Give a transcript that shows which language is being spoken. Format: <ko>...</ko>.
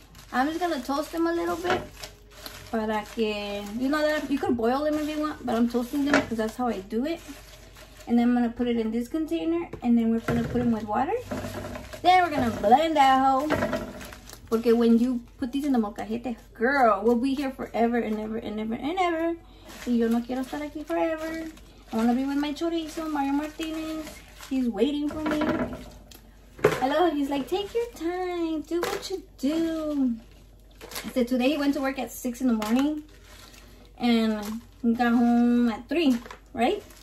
<en>I'm just gonna toast them a little bit.</en> <es>Para que,</es> <en>you know that you could boil them if you want, but I'm toasting them because that's how I do it. And then I'm gonna put it in this container, and then we're gonna put them with water. Then we're gonna blend that hoe. Okay, when you put these in the mocajete, girl, we'll be here forever and ever and ever and ever.</en> <es>Y yo no quiero estar aquí forever.</es> <en>I want to be with my chorizo, Mario Martinez. He's waiting for me. Hello. He's like, take your time. Do what you do. So today he went to work at 6 in the morning. And he got home at 3, right?</en>